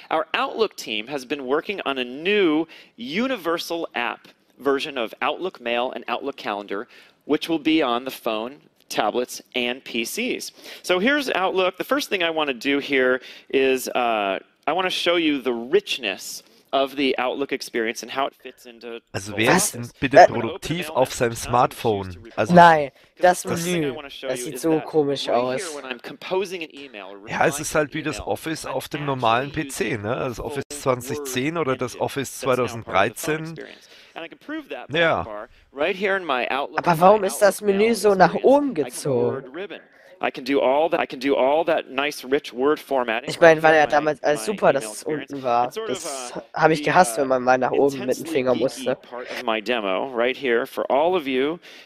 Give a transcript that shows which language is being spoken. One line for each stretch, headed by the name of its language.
English: Our Outlook team has been working on a new universal app version of Outlook Mail and Outlook Calendar, which will be on the phone, tablets and PCs. So here's Outlook. The first thing I want to do here is I want to show you the richness of the Outlook experience and how it fits into.
German: Also wer ist denn bitte produktiv auf seinem Smartphone? Also, nein, das Menü, das sieht so komisch aus. Ja, es ist halt wie das Office auf dem normalen PC, ne? Das Office 2010 oder das Office 2013. Ja. Aber warum ist das Menü so nach oben gezogen?
English: I can do all that. I can do all that nice, rich word formatting.
German: Ich meine, war ja damals alles super, dass es unten war. Das habe ich gehasst, wenn man mal nach oben mit dem Finger musste.
English: My demo right here for all of you.